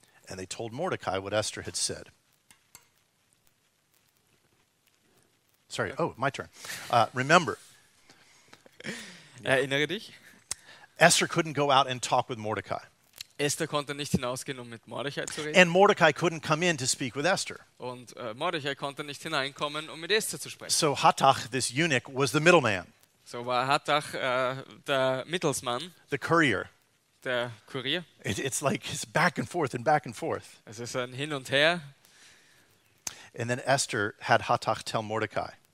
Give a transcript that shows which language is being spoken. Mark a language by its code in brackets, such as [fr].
[en] And they told Mordecai what Esther had said. Sorry, oh, my turn. Remember. [de] Erinnere dich. [en] Esther couldn't go out and talk with Mordecai. [de] Esther konnte nicht hinausgehen, um mit Mordecai zu reden. [en] And Mordecai couldn't come in to speak with Esther. [de] Und Mordecai konnte nicht hineinkommen, um mit Esther zu sprechen. [en] So Hathach, this eunuch, was the middleman. [de] So war Hathach der Mittelsmann. [en] The courier. [de] Der Kurier. [en] It's like it's back and forth and back and forth. [de] Es ist ein Hin und Her. [en] And then Esther had Hathach tell Mordecai.